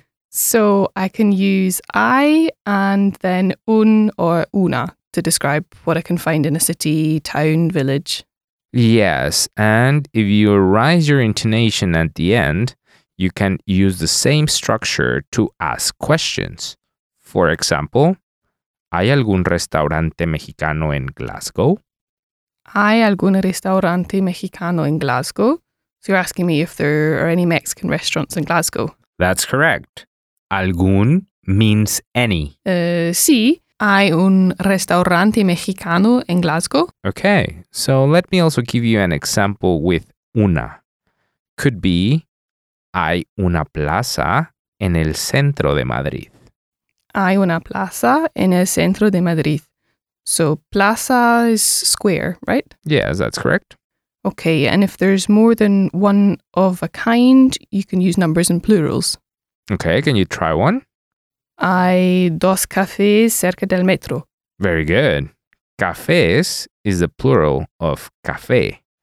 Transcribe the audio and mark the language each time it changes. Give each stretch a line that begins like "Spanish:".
English: So I can use I and then un or una to describe what I can find in a city, town, village. Yes, and if you raise your intonation at the end, you can use the same structure to ask questions. For example,
Spanish: ¿hay algún restaurante mexicano en Glasgow? ¿Hay algún restaurante mexicano en Glasgow?
English: So you're asking me if there are any Mexican restaurants in Glasgow. That's correct. Algún means any.
Spanish: Sí. ¿Hay un restaurante mexicano en Glasgow?
English: Okay. So let me also give you an example with una. Could be,
Spanish: ¿hay una plaza en el centro de Madrid? Hay una plaza en el centro de Madrid.
English: So, plaza is square, right? Yes, that's correct. Okay, and if there's more than one of a kind, you can use numbers and plurals. Okay, can you try one?
Spanish: Hay dos cafés cerca del metro.
English: Very good. Cafés is the plural of café.